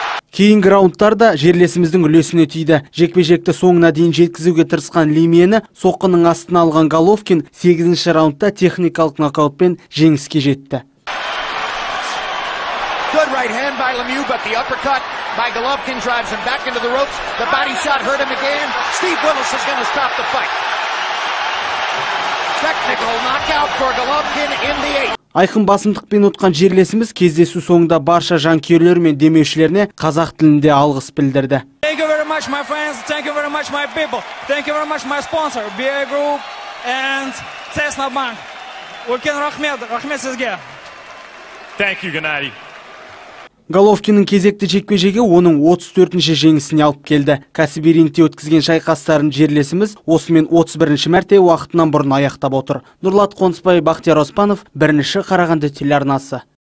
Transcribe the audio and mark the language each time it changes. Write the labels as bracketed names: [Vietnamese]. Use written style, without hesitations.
[Kazakh] Кейінгі раундтарда жерлесіміздің үлесіне тиді. Жекпе-жекті соңына дейін жеткізуге тырысқан Лемиені соққының астына алған Головкин 8-ші раундта техникалық нокаутпен жеңіске жетті. [English] Good right hand by Lemieux, but the uppercut by Golovkin drives him back into the ropes. The body shot hurt him again. Steve Willis is going to stop the fight. Technical knockout for Golovkin in the eighth. [Kazakh] Айқын басымдықпен ұтқан жерлесіміз кездесу соңында барша жанкүйерлер мен демеушілеріне қазақ тілінде алғыс білдірді. [English] Thank you very much, my friends. Thank you very much, my people. Thank you very much, my sponsor, BA Group and Cessna Bank. [Kazakh] Үлкен рахмет, рахмет сізге. [English] Thank you, Геннадий. [Kazakh] Головкиннің кезекті жекпе-жегі оның 34-ші жеңісіне алып келді. Кәсіби рингте өткізген шайқастарын жерлесіміз осымен 31-ші мәрте уақытынан бұрын аяқтап отыр. Нұрлат Қонысбай, Бақтияр Оспанов, бірінші Қарағанды телеарнасы.